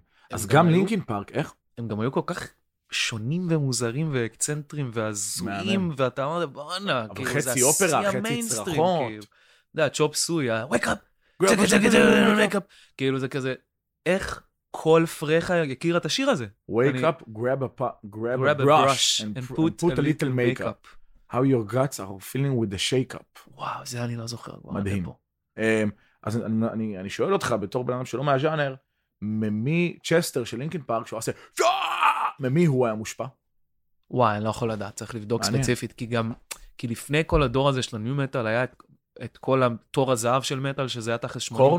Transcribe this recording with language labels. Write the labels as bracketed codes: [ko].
[he] אז גם לינקין פארק, איך? הם גם היו כל כך שונים ומוזרים ואקצנטרים והזויים, ואתה אמרת, בענק, כאילו, זה השיא המיינסטרים. אתה יודע, צ'ופ סוי, ה- [en] Wake up! [he] כאילו, זה כזה, איך כל פרחה יכיר את השיר הזה. [en] Wake up, grab a brush and put a little makeup. How your guts are feeling with the shake-up. [he] וואו, זה אני לא זוכר. מדהים. אז אני שואל אותך, בתור בן אדם שלא מהז'אנר, ממי צ'סטר של לינקין פארק, שהוא עשה, ממי הוא היה מושפע? וואי, אני לא יכול לדעת, צריך לבדוק ספציפית, כי גם, כי לפני כל הדור הזה של הניו מטל, היה את כל התור הזהב של מטל, שזה היה תחת 80-90.